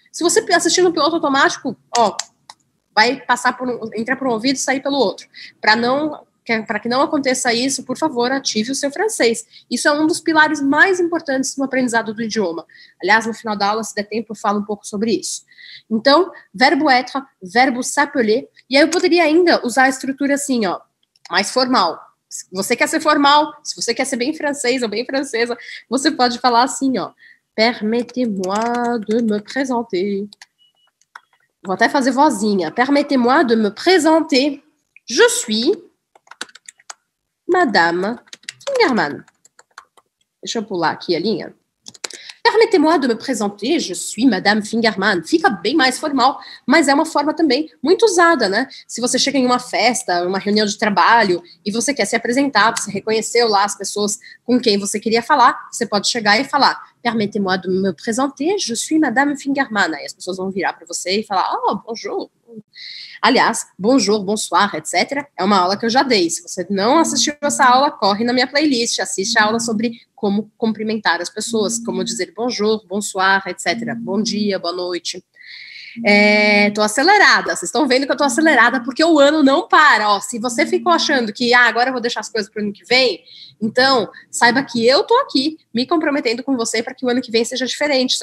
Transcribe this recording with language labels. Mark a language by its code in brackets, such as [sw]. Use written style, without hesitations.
[pt] Se você assistir no piloto automático, ó, vai passar por um, entrar por um ouvido e sair pelo outro. Para que não aconteça isso, por favor, ative o seu francês. Isso é um dos pilares mais importantes no aprendizado do idioma. Aliás, no final da aula, se der tempo, eu falo um pouco sobre isso. Então, verbo être, verbo s'appeler. E aí eu poderia ainda usar a estrutura assim, ó, mais formal. Você quer ser formal, se você quer ser bem francês ou bem francesa, você pode falar assim, ó. [fr] Permettez-moi de me présenter. [pt] Vou até fazer vozinha. [fr] Permettez-moi de me présenter. Je suis Madame Kingerman. [pt] Deixa eu pular aqui a linha. [fr] Permettez-moi de me présenter, je suis Madame Fingerman. [pt] Fica bem mais formal, mas é uma forma também muito usada, né? Se você chega em uma festa, uma reunião de trabalho, e você quer se apresentar, você reconheceu lá as pessoas com quem você queria falar, você pode chegar e falar, [fr] permettez-moi de me présenter, je suis Madame Fingerman. [pt] Aí as pessoas vão virar para você e falar, oh, bonjour. Aliás, bonjour, bonsoir, etc. É uma aula que eu já dei. Se você não assistiu essa aula, corre na minha playlist, assiste a aula sobre como cumprimentar as pessoas, como dizer bonjour, bonsoir, etc. Bom dia, boa noite. Tô acelerada, vocês estão vendo que eu tô acelerada porque o ano não para. Ó, se você ficou achando que agora eu vou deixar as coisas para o ano que vem, então saiba que eu tô aqui me comprometendo com você para que o ano que vem seja diferente.